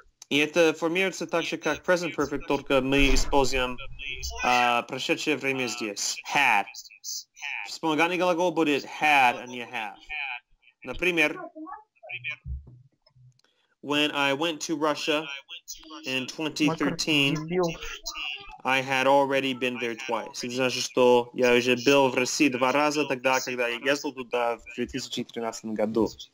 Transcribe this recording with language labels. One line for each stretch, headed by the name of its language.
Russian: И это формируется так же, как present perfect, только мы используем прошедшее время здесь.
English: Had.
Russian: Вспомогательный глагол будет had, а не have.
English: Например, when I went to Russia in 2013, I had already been there twice.
Russian: Это значит, что я уже был в России два раза тогда, когда я ездил туда в 2013 году.